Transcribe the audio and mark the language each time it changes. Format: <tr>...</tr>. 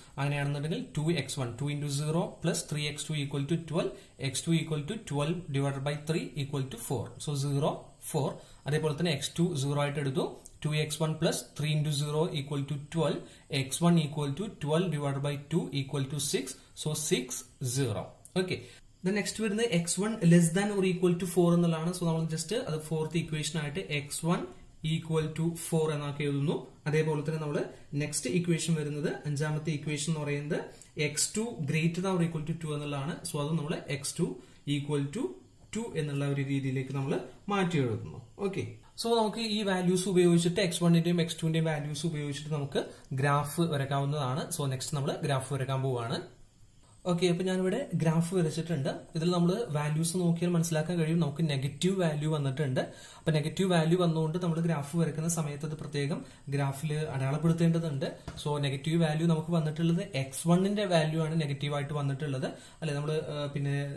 <ml>അങ്ങനെയാണെന്നുണ്ടെങ്കിൽ 2x1 2 × 0 plus 3x2 equal to 12, x2 equal to 12/3 equal to 4. So 0 4. അതേപോലെ തന്നെ x2 0 ആയിട്ട് എടുത്തു. 2x1 plus 3 × 0 equal to 12, x1 equal to 12/2 equal to 6. So 6 0.</ml> <en>The next word is x1 less than or equal to 4. So, we will just the fourth equation x1 equal to 4. That is the next equation. The equation x2 greater than or equal to 2. So, we will x2 equal to 2</en> <ml>എന്ന ഉള്ള ഒരു രീതിയിലേക്ക് നമ്മൾ മാറ്റി എഴുതുന്നു okay so നമുക്ക് ഈ values ഉപയോഗിച്ചിട്ട് x1 ന്റെയും x2 ന്റെയും വാല്യൂസ് ഉപയോഗിച്ചിട്ട് നമുക്ക് ഗ്രാഫ് വരക്കാവുന്നതാണ് സോ നെക്സ്റ്റ് നമ്മൾ ഗ്രാഫ് വരക്കാൻ പോവുകയാണ് ഓക്കേ അപ്പോൾ ഞാൻ ഇവിടെ ഗ്രാഫ് വരച്ചിട്ടുണ്ട് ഇതിൽ നമ്മൾ വാല്യൂസ് നോക്കിയാൽ മനസ്സിലാക്കാൻ കഴിയും നമുക്ക് നെഗറ്റീവ് വാല്യൂ വന്നിട്ടുണ്ട് അപ്പോൾ നെഗറ്റീവ് വാല്യൂ വന്നതുകൊണ്ട് നമ്മൾ ഗ്രാഫ് വരക്കുന്ന സമയത്ത് അത് പ്രത്യേകം ഗ്രാഫിൽ അടയാളപ്പെടുത്തേണ്ടതുണ്ട് സോ നെഗറ്റീവ് വാല്യൂ നമുക്ക് വന്നിട്ടുള്ളത് x1 ന്റെ വാല്യൂ ആണ് നെഗറ്റീവ് ആയിട്ട് വന്നിട്ടുള്ളത് അല്ലേ നമ്മൾ പിന്നെ</ml>